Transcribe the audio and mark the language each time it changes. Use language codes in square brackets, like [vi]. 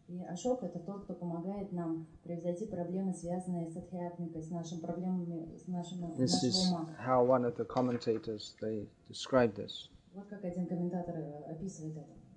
[ru] Ashoka это тот, кто помогает нам превзойти проблемы, связанные с адхиатмикой, с нашими проблемами, с нашим умом. [en] This is how one of the commentators they describe this. [ru] Вот как один комментатор описывает это.